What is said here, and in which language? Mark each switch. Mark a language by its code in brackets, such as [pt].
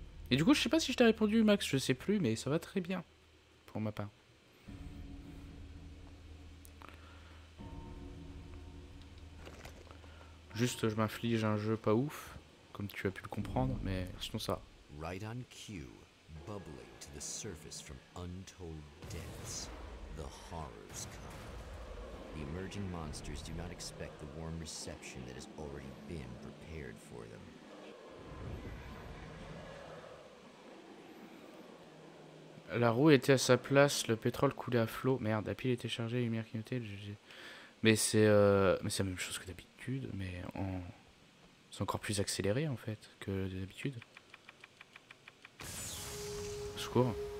[fr] Et du coup, je sais pas si je t'ai répondu, Max. Je sais plus, mais ça va très bien. Pour ma part. Juste, je m'inflige un jeu pas ouf, comme tu as pu le comprendre, mais sinon ça. [en] Right on cue, bubbling to the surface from untold depths, the horrors come. The emerging monsters do not expect the warm reception that has already been prepared for them. [fr] La roue était à sa place, le pétrole coulait à flot. Merde, la pile était chargée, lumière clignotait. Mais c'est la même chose que d'habitude. d'habitude, mais en... c'est encore plus accéléré en fait que d'habitude. Au secours.